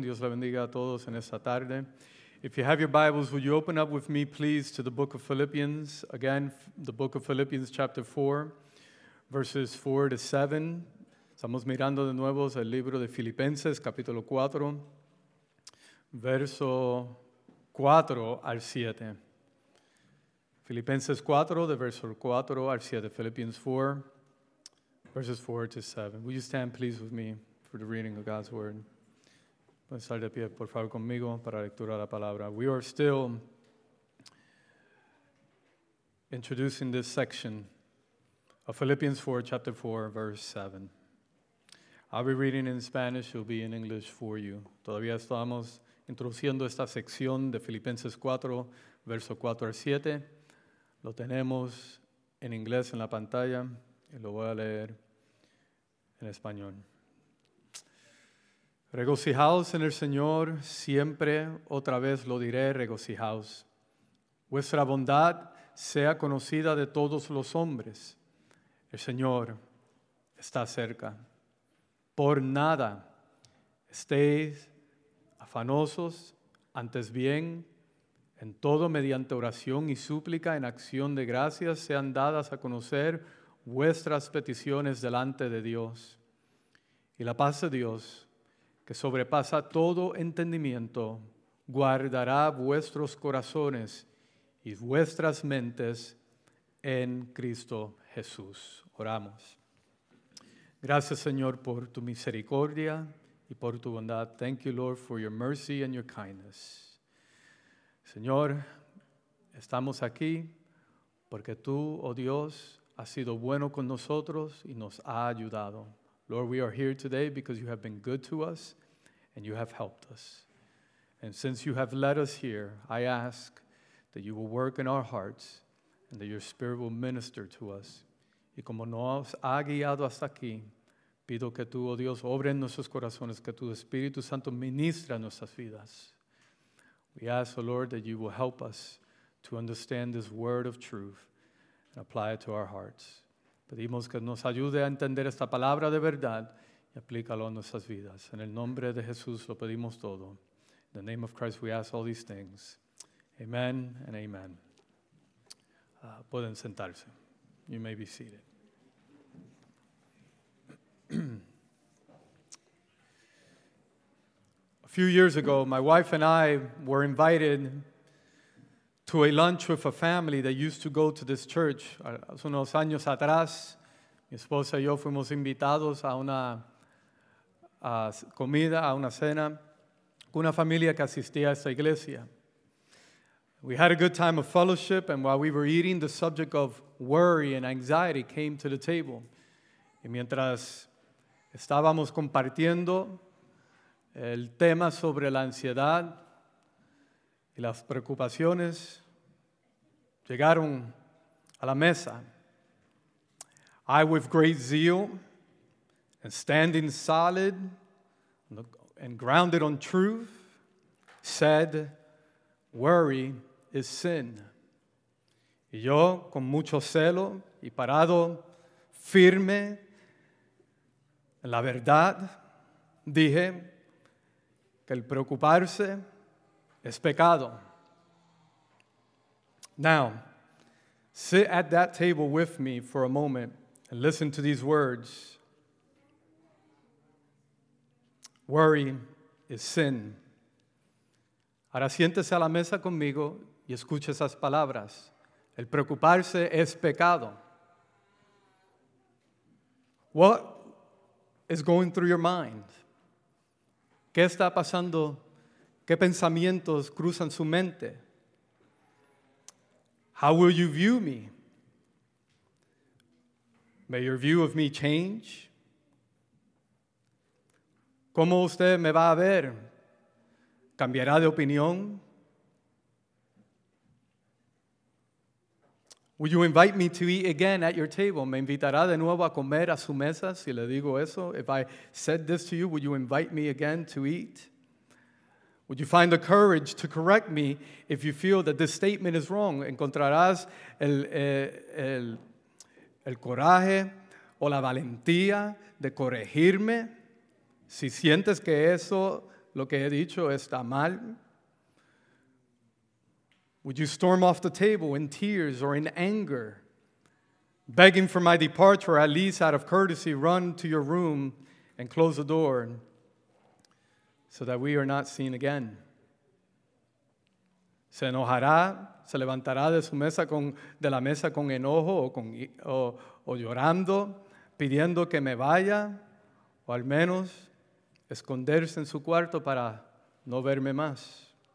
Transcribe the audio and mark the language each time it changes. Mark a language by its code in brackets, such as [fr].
[es] Dios la bendiga a todos en esta tarde. [en] If you have your Bibles, would you open up with me, please, to the book of Philippians. Again, the book of Philippians, chapter 4, verses 4 to 7. [es] Estamos mirando de nuevo el libro de Filipenses, capítulo 4, verso 4 al 7. Filipenses 4, de verso 4 al 7. Philippians 4. [en] Verses 4 to 7. Will you stand, please, with me for the reading of God's Word? [es] Pueden estar de pie, por favor, conmigo para lectura de la palabra. [en] We are still introducing this section of Philippians 4, chapter 4, verse 7. I'll be reading in Spanish. It will be in English for you. [es] Todavía estamos introduciendo esta sección de Filipenses 4, verso 4 al 7. Lo tenemos en inglés en la pantalla. Y lo voy a leer en español. Regocijaos en el Señor siempre, otra vez lo diré, regocijaos. Vuestra bondad sea conocida de todos los hombres. El Señor está cerca. Por nada estéis afanosos, antes bien, en todo mediante oración y súplica, en acción de gracias sean dadas a conocer vuestras peticiones delante de Dios. Y la paz de Dios, que sobrepasa todo entendimiento, guardará vuestros corazones y vuestras mentes en Cristo Jesús. Oramos. Gracias, Señor, por tu misericordia y por tu bondad. [en] Thank you, Lord, for your mercy and your kindness. [es] Señor, estamos aquí porque tú, oh Dios, ha sido bueno con nosotros y nos ha ayudado. [en] Lord, we are here today because you have been good to us and you have helped us. And since you have led us here, I ask that you will work in our hearts and that your spirit will minister to us. [es] Y como nos ha guiado hasta aquí, pido que tú, oh Dios, obre en nuestros corazones, que tu Espíritu Santo ministre nuestras vidas. [en] We ask, oh Lord, that you will help us to understand this word of truth and apply it to our hearts. [es] Pedimos que nos ayude a entender esta palabra de verdad y aplícalo a nuestras vidas. En el nombre de Jesús lo pedimos todo. [en] In the name of Christ we ask all these things. Amen and amen. [es] Pueden sentarse. [en] You may be seated. A few years ago, my wife and I were invited to a lunch with a family that used to go to this church. [es] Hace unos años atrás, mi esposa y yo fuimos invitados a una comida, a una cena, con una familia que asistía a esta iglesia. [en] We had a good time of fellowship, and while we were eating, the subject of worry and anxiety came to the table. [es] Y mientras estábamos compartiendo el tema sobre la ansiedad y las preocupaciones, llegaron a la mesa. [en] I, with great zeal and standing solid and grounded on truth, said, worry is sin. [es] Y yo, con mucho celo y parado firme en la verdad, dije que el preocuparse es pecado. [en] Now, sit at that table with me for a moment and listen to these words. Worry is sin. [es] Ahora siéntese a la mesa conmigo y escuche esas palabras. El preocuparse es pecado. [en] What is going through your mind? [es] ¿Qué está pasando? ¿Qué pensamientos cruzan su mente? [en] How will you view me? May your view of me change. [es] ¿Cómo usted me va a ver? ¿Cambiará de opinión? [en] Will you invite me to eat again at your table? [es] ¿Me invitará de nuevo a comer a su mesa? Si le digo eso, [en] if I said this to you, would you invite me again to eat? Would you find the courage to correct me if you feel that this statement is wrong? [es] ¿Encontrarás el coraje o la valentía de corregirme si sientes que eso, lo que he dicho, está mal? [en] Would you storm off the table in tears or in anger, begging for my departure, at least out of courtesy, run to your room and close the door so that we are not seen again? [es] ¿Se enojará, se levantará de su mesa con, de la mesa con enojo o, con, o, o llorando, pidiendo que me vaya, o al menos esconderse en su cuarto para no verme más?